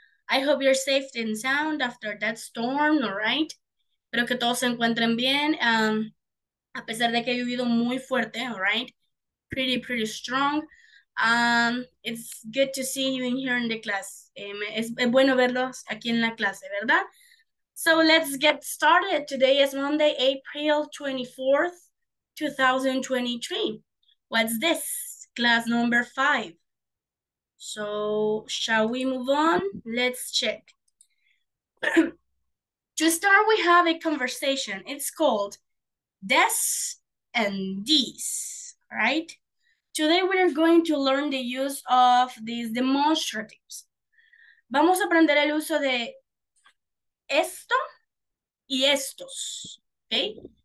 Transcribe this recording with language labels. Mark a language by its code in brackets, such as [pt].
[en] I hope you're safe and sound after that storm, all right? [es] Espero que todos se encuentren bien. A pesar de que ha llovido muy fuerte, all right? [en] Pretty strong. It's good to see you in here in the class. [es] Es bueno verlos aquí en la clase, ¿verdad? [en] So let's get started. Today is Monday, April 24th, 2023. What's this? Class number five. So shall we move on? Let's check. To start, we have a conversation. It's called this and these, right? Today we are going to learn the use of these demonstratives. [es] Vamos a aprender el uso de esto y estos, okay?